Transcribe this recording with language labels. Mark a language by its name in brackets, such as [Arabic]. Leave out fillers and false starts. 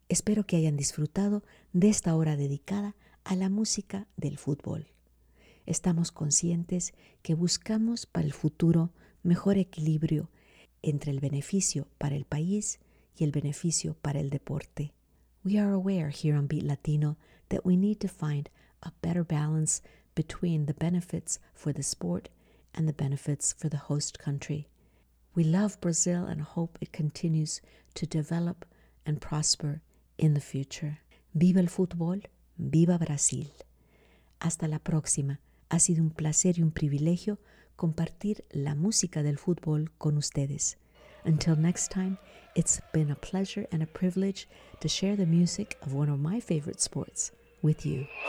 [Spanish] Espero que hayan disfrutado de esta hora dedicada a la música del fútbol. Estamos conscientes que buscamos para el futuro mejor equilibrio entre el beneficio para el país y el beneficio para el deporte. [English] We are aware here on Beat Latino that we need to find a better balance between the benefits for the sport and the benefits for the host country. We love Brazil and hope it continues to develop and prosper in the future. [Spanish] Viva el fútbol, viva Brasil. Hasta la próxima. Ha sido un placer y un privilegio compartir la música del fútbol con ustedes. [English] Until next time, it's been a pleasure and a privilege to share the music of one of my favorite sports with you.